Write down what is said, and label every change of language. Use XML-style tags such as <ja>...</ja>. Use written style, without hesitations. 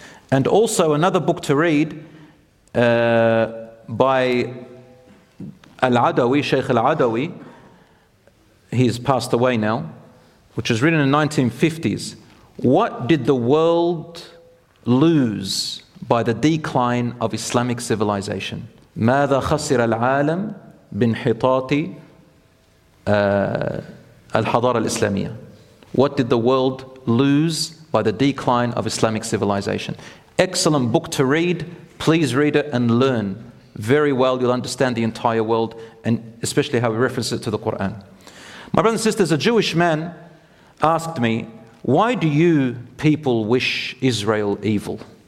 <en>And also another book to read by Al-Adawi, Sheikh Al-Adawi. He's passed away now, which was written in the 1950s. What did the world lose by the decline of Islamic civilization?</en> <ar>ماذا خسر العالم بانحطاط الحضارة الإسلامية?</ar> <en>What did the world lose by the decline of Islamic civilization? Excellent book to read. Please read it and learn very well. You'll understand the entire world and especially how we reference it to the Quran. My brothers and sisters, a Jewish man asked me, why do you people wish Israel evil?</en>